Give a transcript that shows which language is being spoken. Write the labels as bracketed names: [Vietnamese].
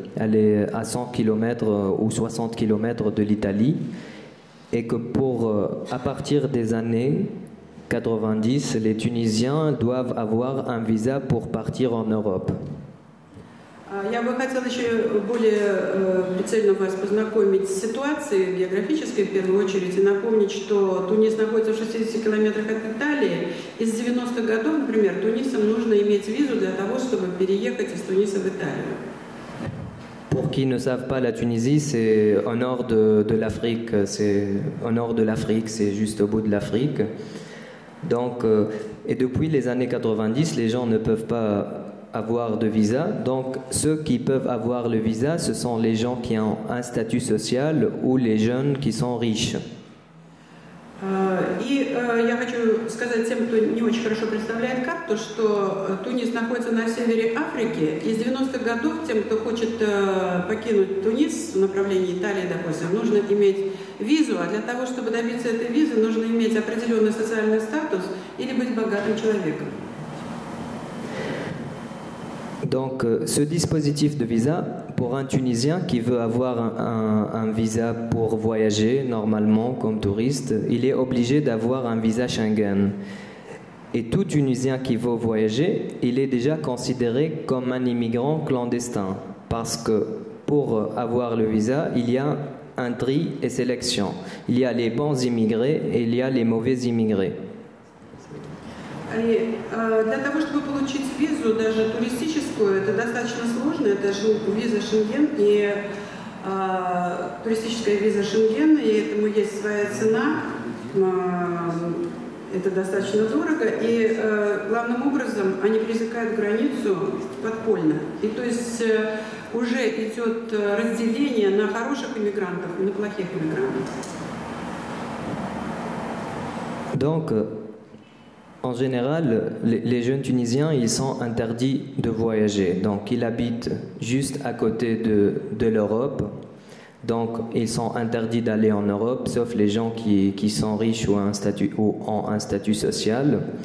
[French] Elle est à 100 km ou 60 km de l'Italie. Et que à partir des années 90, les Tunisiens doivent avoir un visa pour partir en Europe. [Russian] Я бы хотел еще более прицельно вас познакомить с ситуацией географической, в первую очередь, и напомнить, что Тунис находится в 60 километрах от Италии. И с 90-х годов, например, тунисам нужно иметь визу для того, чтобы переехать из Туниса в Италию. [French] Pour qui ne savent pas, la Tunisie, c'est au nord de l'Afrique, c'est juste au bout de l'Afrique. Donc, et depuis les années 90, les gens ne peuvent pas avoir de visa. Donc, ceux qui peuvent avoir le visa, ce sont les gens qui ont un statut social ou les jeunes qui sont riches. [Russian] И я хочу сказать тем, кто не очень хорошо представляет карту, что Тунис находится на севере Африки. И с 90-х годов тем, кто хочет покинуть Тунис в направлении Италии, допустим, нужно иметь визу. А для того, чтобы добиться этой визы, нужно иметь определенный социальный статус или быть богатым человеком. [French] Donc, ce dispositif de visa, pour un Tunisien qui veut avoir un visa pour voyager normalement comme touriste, il est obligé d'avoir un visa Schengen. Et tout Tunisien qui veut voyager, il est déjà considéré comme un immigrant clandestin. Parce que pour avoir le visa, il y a un tri et sélection. Il y a les bons immigrés et il y a les mauvais immigrés. [Russian] И для того, чтобы получить визу, даже туристическую, это достаточно сложно, это же виза Шенген, и туристическая виза Шенген, и этому есть своя цена, это достаточно дорого, и главным образом они пересекают границу подпольно. И то есть уже идет разделение на хороших иммигрантов и на плохих иммигрантов. [French] Donc... En général, les jeunes Tunisiens, ils sont interdits de voyager. Donc, ils habitent juste à côté de l'Europe. Donc, ils sont interdits d'aller en Europe, sauf les gens qui sont riches ou ont un statut social.